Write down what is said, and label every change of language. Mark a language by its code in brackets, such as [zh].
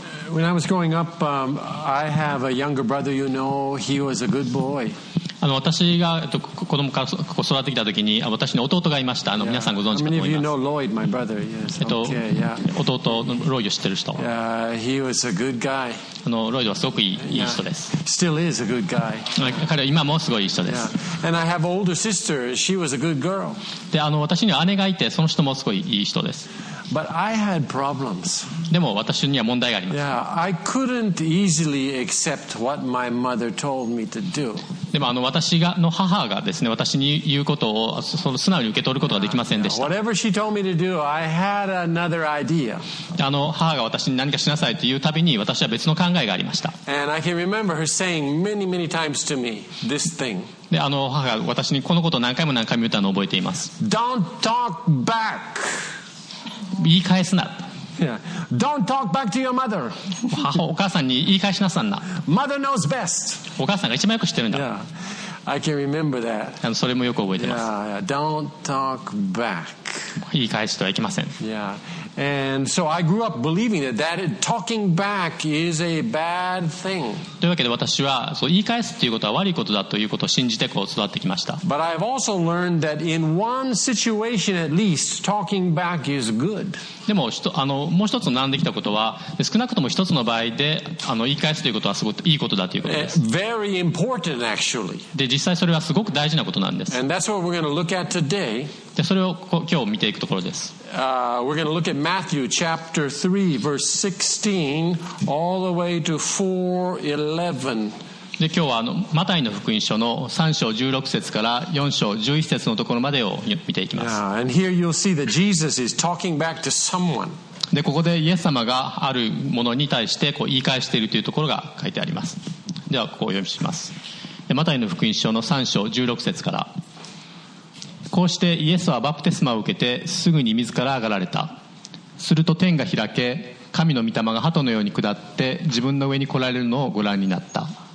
[en] When I was growing up, I have a younger brother, you know, he was a good boy. [ja] 私が子供から育ってきた時に私の弟がいました。皆さんご存知かと思います。 [en] Lloyd, my brother? Yes. Okay, yeah. [ja] 弟のロイド知ってる人。 [en] Yeah, he was a good guy. [ja] ロイドはすごくいい人です。 [en] Still is a good guy. [ja] 彼は今もすごいいい人です。 [en] Yeah. And I have older sister. She was a good girl. [ja] で私には姉がいて、その人もすごいいい人です。 [en] But I had problems. [ja] でも私には問題があります。 [en] Yeah, I couldn't easily accept what my mother told me to do. [ja] でも私がの母がですね、私に言うことをその素直に受け取ることができませんでした。 [en] Yeah, whatever she told me to do, I had another idea. [ja] 母が私に何かしなさいというたびに私は別の考えがありました。 [en] And I can remember her saying many, many times to me this thing. [ja] で母が私にこのことを何回も何回も言ったのを覚えています。 [en] Don't talk back. [ja] 言い返すな。 [en] Yeah. Don't talk back to your mother. [ja] お母さんに言い返しなさんな。 [en] Mother knows best. [ja] お母さんが一番よく知ってるんだ。 [en] Yeah. I can remember that. [ja] それもよく覚えてます。 [en] Yeah. Don't talk back. [ja] 言い返してはいけません。 [en] Yeah. And so I grew up believing that talking back is a bad thing. [ja] というわけで私は言い返すということは悪いことだということを信じてこう育ってきました。 [en] But I have also learned that in one situation at least, talking back is good. [ja] でも、もう一つ学んできたことは、少なくとも一つの場合で言い返すということはすごくいいことだということです。 [en] Very important, actually. [ja] で、実際それはすごく大事なことなんです。 [en] And that's what we're going to look at today. [ja] で、それを今日見ていくところです。 [en] We're going to look at Matthew chapter 3, verse 16, all the way to 4:11. [ja] で今日はマタイの福音書の3章16節から4章11節のところまでを見ていきます。 [en] Yeah, and here you'll see that Jesus is talking back to someone. [ja] でここでイエス様があるものに対してこう言い返しているというところが書いてあります。ではここを読みします。でマタイの福音書の3章16節から、こうしてイエスはバプテスマを受けてすぐに自ら上がられた。すると天が開け、神の御霊が鳩のように下って自分の上に来られるのをご覧になった。